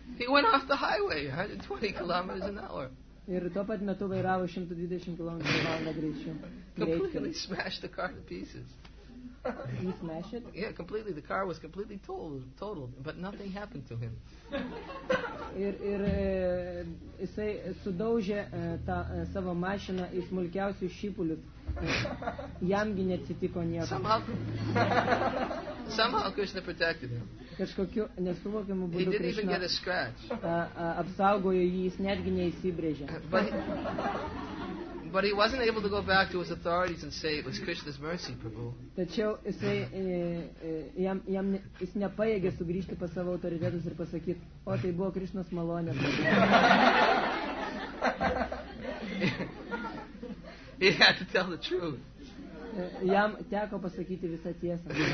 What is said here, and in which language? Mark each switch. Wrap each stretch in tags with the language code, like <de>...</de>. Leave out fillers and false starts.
<en>He went off the highway 120 kilometers an hour.</en> <lt>Ir tuo pat metu vairavo 120 km per valandą greičiu.</lt> <en>Completely smashed the car to pieces. He smashed it? Yeah, completely. The car was completely total, but nothing happened to him.</en> <lt>Ir jisai sudaužė tą savo mašiną į smulkiausius šipulius. Jamgi neatsitiko nieko.</lt> <en>Somehow Krishna protected him.</en> <lt>Kažkokiu nesuvokimu būdu</lt> <en>Krishna. He didn't even get a scratch.</en> <lt>Apsaugojo jį, jis netgi neįsibrėžė.</lt> <en>But he wasn't able to go back to his authorities and say it was Krishna's mercy, Prabhu.</en> <lt>Tačiau jisai jis nepajėgė sugrįžti pas savo autoritetus ir pasakyti, o tai buvo Krishnos malonė.</lt> <en>He had to tell the truth.</en> <lt>Jam teko pasakyti visą tiesą.</lt>